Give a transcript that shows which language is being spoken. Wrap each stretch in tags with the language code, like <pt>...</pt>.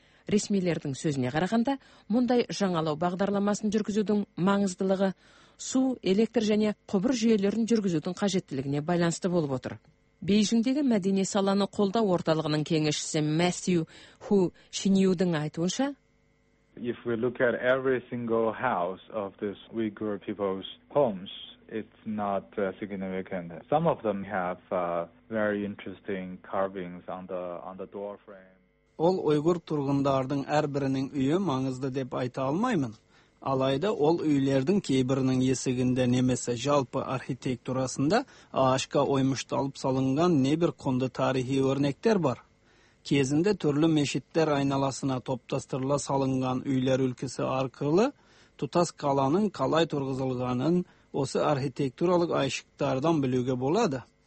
<kk>Ресмилердің сөзіне қарағанда, мұндай жаңалау бағдарламасын жүргізудің маңыздылығы су, электр және құбыр жүйелерін жүргізудің қажеттілігіне байланысты болып отыр. Бейжіңдегі мәдени саланы қолдау орталығының кеңесшісі Мэсью Ху Шиньюдің айтуынша,</kk> <en>if we look at every single house of this Uyghur people's homes, it's not significant. Some of them have very interesting carvings on the door frame.</en> <kk>Ол ұйғыр тұрғындардың әрбірінің үйі маңызды деп айта алмаймын. Алайда ол үйлердің кейбірінің есігінде немесе жалпы архитектурасында ашқа оймышталып салынған небір құнды тарихи өрнектер бар. Кезінде түрлі мешіттер айналасына топтастырыла салынған үйлер үлкісі арқылы тұтас қаланың қалай тұрғызылғанын осы архитектуралық айшықтардан білуге болады.</kk>